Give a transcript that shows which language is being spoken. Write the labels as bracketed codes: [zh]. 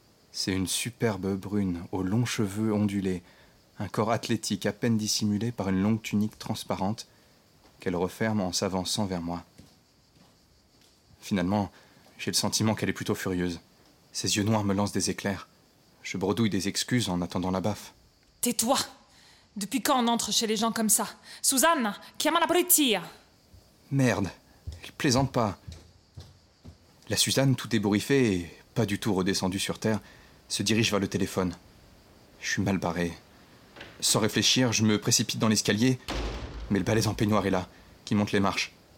[fr] C'est une superbe brune, aux longs cheveux ondulés, un corps athlétique à peine dissimulé par une longue tunique transparente qu'elle referme en s'avançant vers moi. Finalement, j'ai le sentiment qu'elle est plutôt furieuse. Ses yeux noirs me lancent des éclairs. Je bredouille des excuses en attendant la baffe. Tais-toi ! Depuis quand on entre chez les gens comme ça ? [it] Suzanne, chiama la polizia ! [fr] Merde, elle plaisante pas. La Suzanne, tout ébouriffée et pas du tout redescendue sur terre, se dirige vers le téléphone. Je suis mal barré. Sans réfléchir, je me précipite dans l'escalier, mais le balèze en peignoir est là, qui monte les marches.